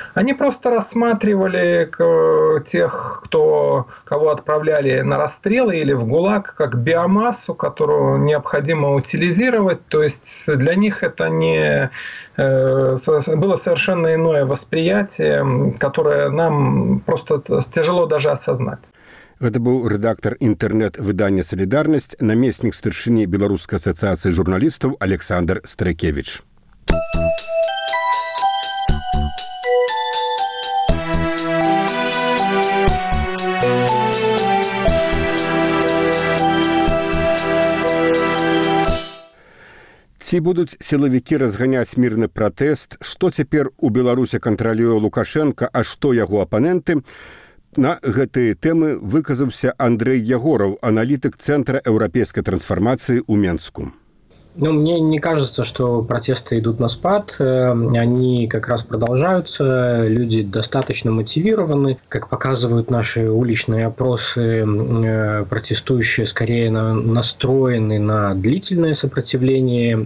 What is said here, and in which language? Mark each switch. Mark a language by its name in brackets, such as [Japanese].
[Russian] Они просто рассматривали тех, кого отправляли на расстрелы или в ГУЛАГ, как биомассу, которую необходимо утилизировать. То есть для них это не было совершенно иное восприятие, которое нам просто тяжело даже осознать. [Belarusian] Гэта быў рэдактар інтэрнэт-выдання «Салідарнасць», намеснік старшыні Беларускай асацыяцыі журналістаў Александр Стракевіч. Ці будуць сілавікі разганяць мірны пратэст? Што цяпер у Беларусі кантралюе Лукашэнка, а што яго апаненты? На гэтыя тэмы выказаўся Андрэй Ягоров, аналітык Цэнтра еўрапейскай трансфармацыі ў Менску. [Russian] Ну, мне не кажется, что протесты идут на спад. Они как раз продолжаются. Люди достаточно мотивированы. Как показывают наши уличные опросы, протестующие скорее настроены на длительное сопротивление.